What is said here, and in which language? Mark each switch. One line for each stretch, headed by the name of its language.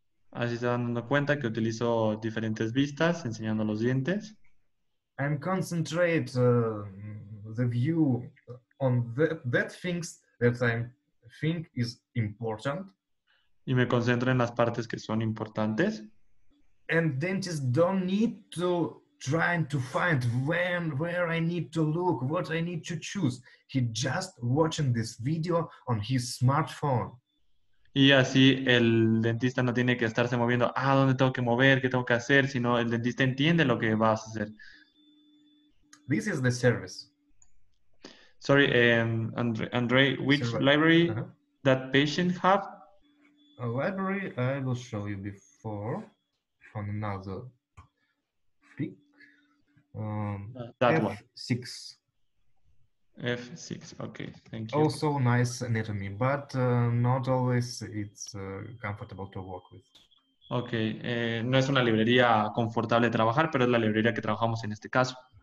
Spanish: Así se van dando cuenta que utilizo diferentes vistas enseñando los dientes.
English: I'm concentrate the view on that things that I think is important.
Spanish: Y me concentro en las partes que son importantes.
English: And dentists don't need to try to find where I need to look, what I need to choose. He just watching this video on his smartphone.
Spanish: Y así el dentista no tiene que estarse moviendo, ah, ¿dónde tengo que mover? ¿Qué tengo que hacer? Sino el dentista entiende lo que vas a hacer.
English: This is the service. Sorry, Andre, which service. Library uh-huh. that patient have? A library I will show you before on another pick. That F6. One. F6, okay, thank you. Also nice anatomy, but not always it's comfortable to work with.
Spanish: Okay, no es una librería confortable de trabajar, pero es la librería que trabajamos en este caso.